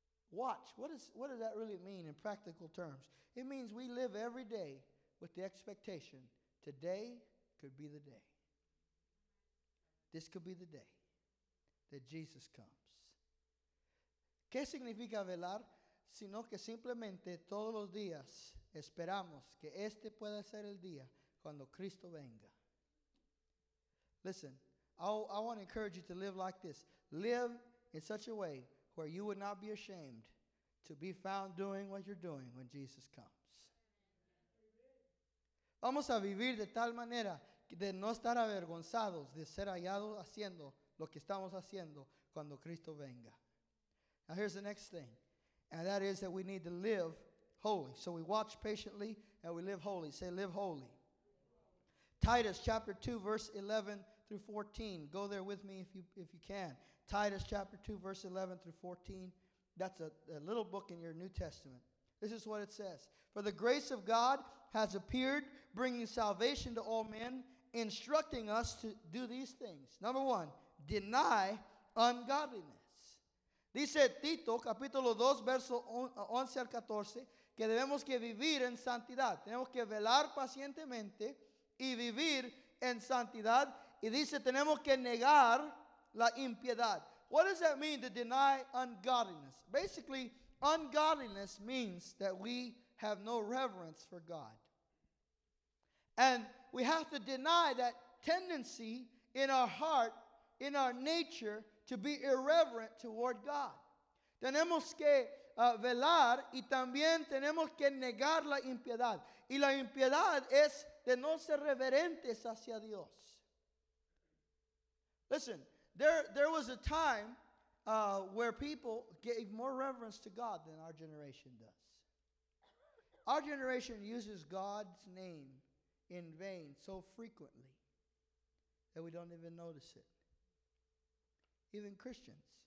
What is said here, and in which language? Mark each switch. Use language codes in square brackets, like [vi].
[en] Watch. What does that really mean in practical terms? It means we live every day with the expectation, today could be the day. This could be the day that Jesus comes. [es] ¿Qué significa velar? Sino que simplemente todos los días esperamos que este pueda ser el día cuando Cristo venga. [en] Listen, I want to encourage you to live like this. Live in such a way where you would not be ashamed to be found doing what you're doing when Jesus comes. [es] Vamos a vivir de tal manera de no estar avergonzados de ser hallados haciendo lo que estamos haciendo cuando Cristo venga. [en] Now here's the next thing. And that is that we need to live holy. So we watch patiently and we live holy. Say, live holy. Titus chapter 2, verse 11 through 14. Go there with me if you can. Titus chapter 2, verse 11 through 14. That's a little book in your New Testament. This is what it says. For the grace of God has appeared, bringing salvation to all men, instructing us to do these things. Number one, deny ungodliness. [es] Dice Tito, capítulo 2, verso 11 al 14, que debemos que vivir en santidad. Tenemos que velar pacientemente y vivir en santidad. Y dice, tenemos que negar la impiedad. [en] What does that mean to deny ungodliness? Basically, ungodliness means that we have no reverence for God. And we have to deny that tendency in our heart, in our nature, to be irreverent toward God. [es] Tenemos que velar y también tenemos que negar la impiedad. Y la impiedad es de no ser reverentes hacia Dios. [en] Listen, there was a time where people gave more reverence to God than our generation does. Our generation uses God's name in vain so frequently that we don't even notice it. Even Christians.